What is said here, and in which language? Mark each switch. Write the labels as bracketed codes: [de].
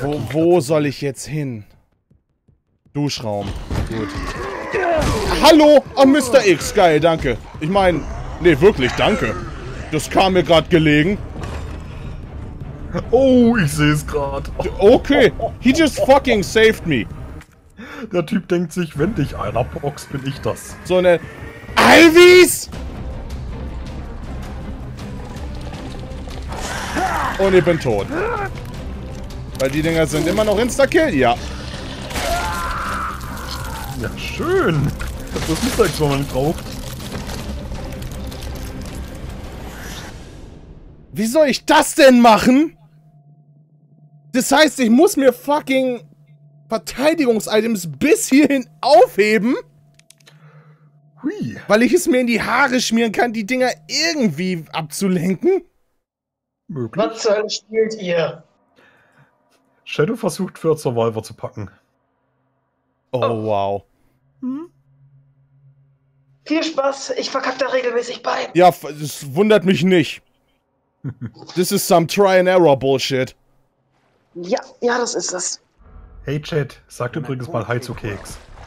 [de] Wo soll ich jetzt hin? Duschraum. Gut. Hallo! Oh, Mr. X, geil, danke. Ich meine... Nee, wirklich, danke. Das kam mir gerade gelegen. Oh, ich sehe es gerade. [en] Okay, he just fucking saved me. [de] Der Typ denkt sich, wenn dich einer boxt, bin ich das. So eine... Alvis! Und ich bin tot. Weil die Dinger sind immer noch Insta-Kill, ja. Ja, schön. Das ist nicht so, was man braucht. Wie soll ich das denn machen? Das heißt, ich muss mir fucking Verteidigungs-Items bis hierhin aufheben? Hui. Weil ich es mir in die Haare schmieren kann, die Dinger irgendwie abzulenken? Möglich. Was zur Hölle spielt ihr? Shadow versucht, für Survivor zu packen. Oh, wow. Hm? Viel Spaß, ich verkacke da regelmäßig bei. Ja, das wundert mich nicht. [en] This is some try and error bullshit. [de] Ja, das ist es. Hey Chat, sagt übrigens mal Hi zu Keks.